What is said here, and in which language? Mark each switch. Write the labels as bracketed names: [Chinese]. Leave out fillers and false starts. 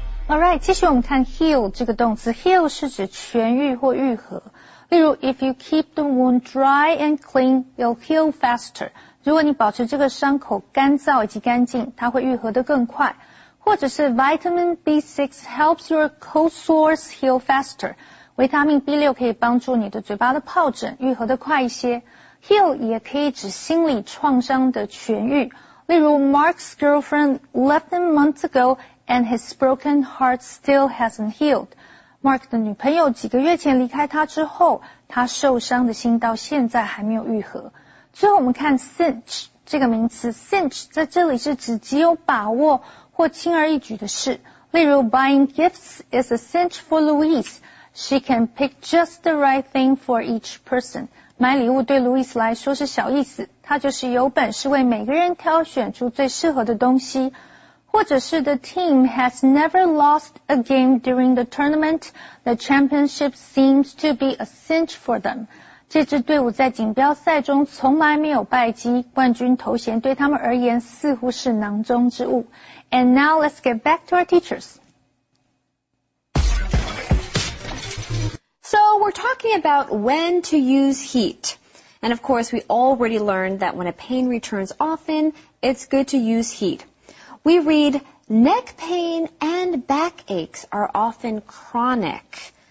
[English] All right, [Chinese] 继续我们看 heal 这个动词。Heal 是指痊愈或愈合。 [English] 例如 if you keep the wound dry and clean, you'll heal faster. [Chinese] 如果你保持这个伤口干燥以及干净，它会愈合得更快。或者是 [English] vitamin B6 helps your cold sores heal faster. [Chinese] 维他命 B6 可以帮助你的嘴巴的疱疹愈合得快一些。 Heal 也可以指心理创伤的痊愈。 [English] 例如 Mark's girlfriend left him months ago and his broken heart still hasn't healed. [Chinese] Mark 的女朋友几个月前离开他之后，他受伤的心到现在还没有愈合。最后我们看 cinch 这个名词， cinch 在这里是指极有把握或轻而易举的事。 [English] 例如 buying gifts is a cinch for Louise. She can pick just the right thing for each person. [Chinese] 买礼物对 Louise 来说是小意思，她就是有本事为每个人挑选出最适合的东西。或者是 [English] the team has never lost a game during the tournament. The championship seems to be a cinch for them. [Chinese] 这支队伍在锦标赛中从来没有败绩，冠军头衔对他们而言似乎是囊中之物。 [English] And now let's get back to our teachers. So we're talking about when to use heat. And of course, we already learned that when a pain returns often, it's good to use heat. We read, neck pain and back aches are often chronic.